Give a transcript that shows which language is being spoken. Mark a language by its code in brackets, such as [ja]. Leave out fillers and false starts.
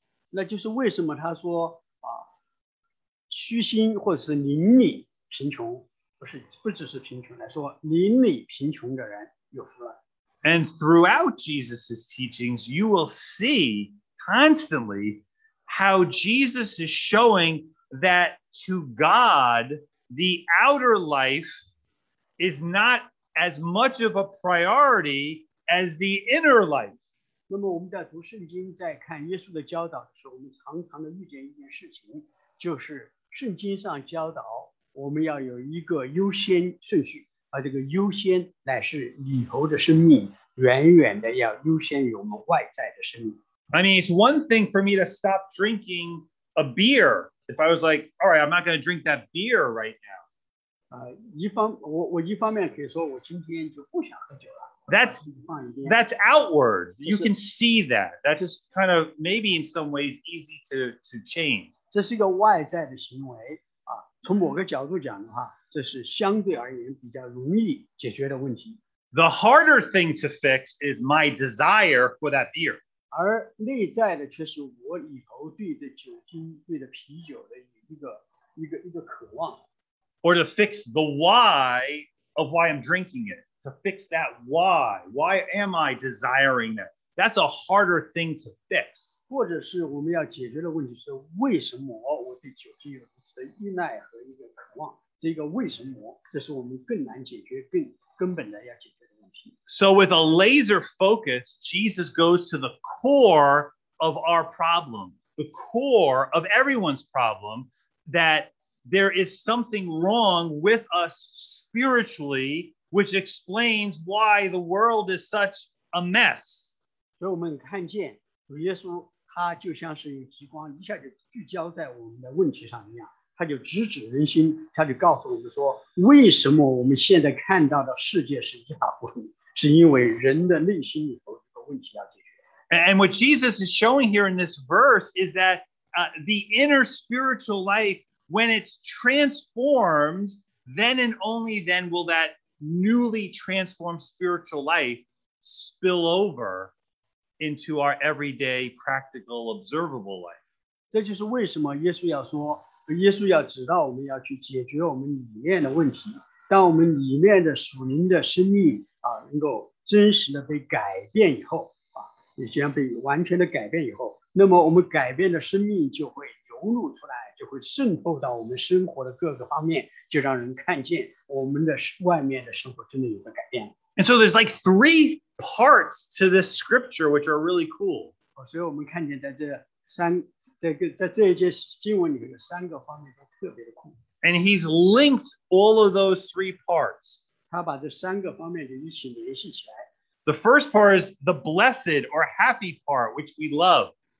[zh] 那就是为什么他说虚心或者是邻里贫穷不只是贫穷来说邻里贫穷的人有福了。 [en] And throughout Jesus' teachings, you will see constantly how Jesus is showing that to God, the outer life is not as much of a priority as the inner life. [zh] 那么我们在读圣经在看耶稣的教导的时候我们常常的遇见一件事情就是圣经上教导我们要有一个优先顺序而这个优先乃是里头的生命远远的要优先于我们外在的生命 [en] I mean it's one thing for me to stop drinking a beer if I was like alright I'm not going to drink that beer right now [zh] 我一方面可以说我今天就不想喝酒了 [en] That's outward. You can see that. That's kind of maybe in some ways easy to change. [zh] 这是一个外在的行为从某个角度讲的话，这是相对而言比较容易解决的问题。 [en] The harder thing to fix is my desire for that beer. [zh] 而内在的却是我以后对的酒精、对的啤酒的一个渴望。 [en] Or to fix the why of why I'm drinking it. To fix that why. Why am I desiring that? That's a harder thing to fix. [zh] 或者是我们要解决的问题是为什么我对酒精有如此的依赖和一个渴望。这个为什么这是我们更难解决更根本的要解决的问题。 [en] So with a laser focus, Jesus goes to the core of our problem. The core of everyone's problem that there is something wrong with us spiritually. Which explains why the world is such a mess. So we can see, Lord Jesus, he [zh] 就像是激光，一下就聚焦在我们的问题上一样。他就直指人心，他就告诉我们说，为什么我们现在看到的世界是一塌糊涂，是因为人的内心里头有问题要解决。 [en] And what Jesus is showing here in this verse is that the inner spiritual life, when it's transformed, then and only then will that newly transformed spiritual life spill over into our everyday practical observable life. [zh] 这就是为什么耶稣要指导我们要去解决我们里面的问题, 当我们里面的属灵的生命啊, 能够真实的被改变以后, 啊, 也将被完全的改变以后, 那么我们改变的生命就会流露出来, 就会渗透到我们生活的各个方面, 就让人看见我们的外面的生活真的有个改变。 [en] And so there's like three parts to this scripture which are really cool. [zh] 所以我们看见在这三个方面都特别的酷。 [en] And he's linked all of those three parts. [zh] 他把这三个方面就一起联系起来。 [en] The first part is the blessed or happy part, which we love.